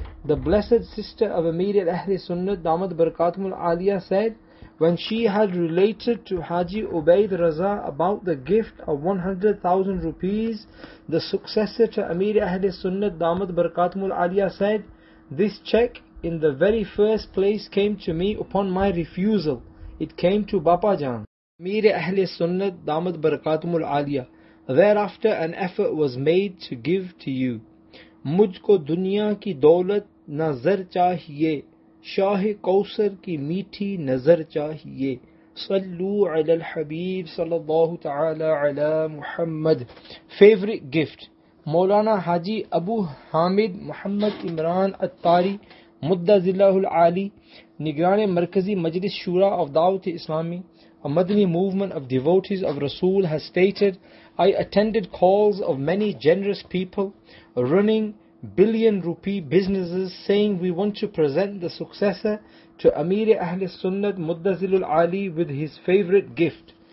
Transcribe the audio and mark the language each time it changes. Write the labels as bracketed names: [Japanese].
[English] The blessed sister of Amir Ahl-e-Sunnat Damat Barakatumul Aliyah said, when she had related to Haji Ubaid Raza about the gift of 100,000 rupees, the successor to Amir Ahl-e-Sunnat Damat Barakatumul Aliyah said, this check in the very first place came to me upon my refusal. It came to Bapa Jan. Amir Ahl-e-Sunnat Damat Barakatumul Aliyah, thereafter an effort was made to give to you. [Urdu] Mujhko dunya ki daulat na zar chahiye. شاہِ کوثر کی میٹھی نظر چاہیے صلو علی الحبیب صلی اللہ تعالی علی محمد. [English] Favorite gift, Maulana Haji Abu Hamid Muhammad Imran Attari مدہ ذلہ العالی نگران Markazi Majlis Shura of Dawat Islami, a Madani movement of devotees of Rasul, has stated, I attended calls of many generous people running billion rupee businesses saying we want to present the successor to Amir Ahl-e-Sunnat Muddazilul Ali with his favorite gift.